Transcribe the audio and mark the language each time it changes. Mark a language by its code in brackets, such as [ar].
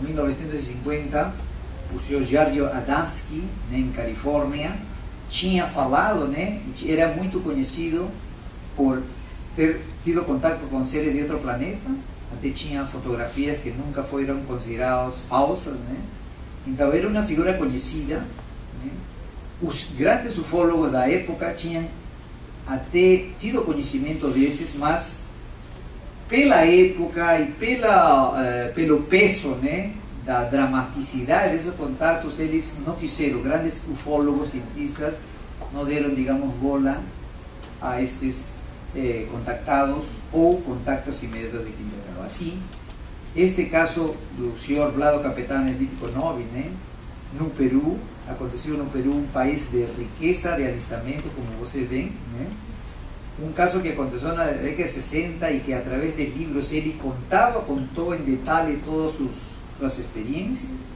[es] En 1950, el señor Giorgio Adansky, ¿no?, en California, tinha falado, ¿no?, era muy conocido por ter tido contacto con seres de otro planeta, até tinha fotografías que nunca fueron considerados falsas, né? Então era una figura conocida, né? [pt] Os grandes ufólogos da época tinham até tido conhecimento destes, mas pela época e pelo peso, né, da dramaticidade desses contactos, eles não quiseram, grandes ufólogos, cientistas, não deram, digamos, bola a estes contactados o contactos inmediatos de quinto grado. [es] Así, este caso del señor Vlado Capetán en Vítico Novi, ¿no?, en Perú, aconteció en Perú, un país de riqueza de avistamiento, como ustedes ven, ¿no?, un caso que aconteció en la década de 60 y que a través de libros él contaba, contó en detalle todas sus experiencias.